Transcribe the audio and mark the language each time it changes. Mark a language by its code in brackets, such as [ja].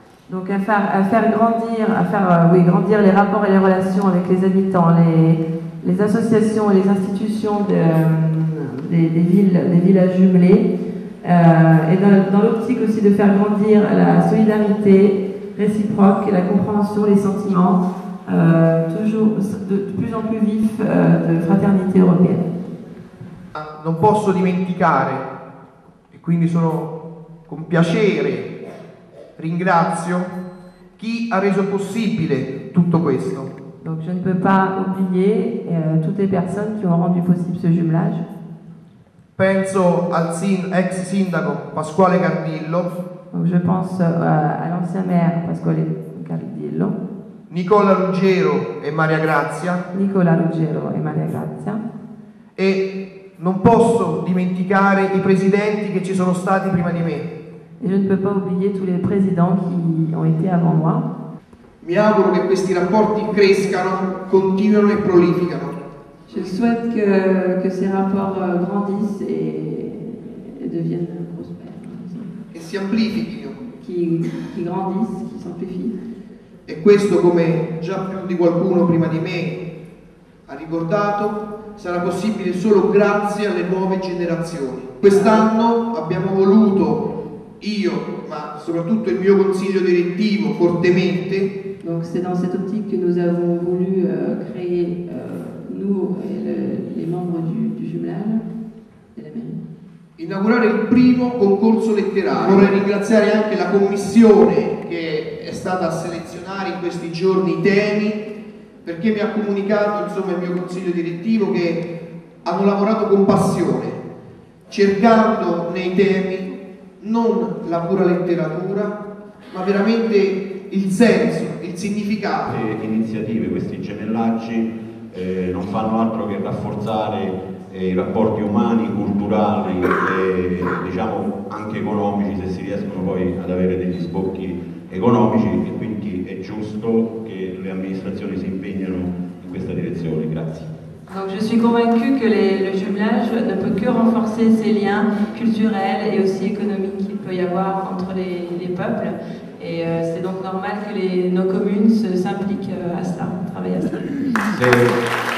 [fr] Donc grandir les rapports et les relations avec les habitants, les associations et les institutions des villes jumelées, et dans l'optique aussi de faire grandir la solidarité réciproque, la compréhension, les sentiments toujours de plus en plus vifs de fraternité européenne. [it] Non posso dimenticare, e quindi sono con piacere, ringrazio Chi ha reso possibile tutto questo? [fr] Donc je ne peux pas oublier toutes les personnes qui ont rendu possible ce jumelage. [it] Penso al ex sindaco Pasquale Cardillo. [fr] Donc je pense à l'ancien maire Pasquale Cardillo. [it] Nicola Ruggero e Maria Grazia. Nicola Ruggero e Maria Grazia. E non posso dimenticare i presidenti che ci sono stati prima di me. [fr] Et je ne peux pas oublier tous les présidents qui ont été avant moi. [it] Mi auguro che questi rapporti crescano, continuino e prolificano. [fr] Je souhaite que ces rapports grandissent et deviennent prospères. [it] Che si amplifichino. [fr] Qui grandissent, qui s'amplifient. [it] E questo, come già più di qualcuno prima di me ha ricordato, sarà possibile solo grazie alle nuove generazioni. Quest'anno abbiamo voluto, io, ma soprattutto il mio consiglio direttivo, fortemente. [fr] Donc c'est dans cette optique que nous avons voulu créer nous et les membres du jumelage della mairie. [it] Inaugurare il primo concorso letterario. Vorrei ringraziare anche la commissione che è stata a selezionare in questi giorni i temi, perché mi ha comunicato, insomma, il mio consiglio direttivo che hanno lavorato con passione, cercando nei temi non la pura letteratura, ma veramente il senso, il significato. Queste iniziative, questi gemellaggi, non fanno altro che rafforzare i rapporti umani, culturali e, diciamo, anche economici, se si riescono poi ad avere degli sbocchi economici, e quindi è giusto che le amministrazioni si impegnino in questa direzione. Grazie. [fr] Donc je suis convaincu que le jumelage ne peut que renforcer ces liens culturels et aussi économiques qu'il peut y avoir entre les peuples, et c'est donc normal que nos communes s'impliquent à cela, travaillent à cela.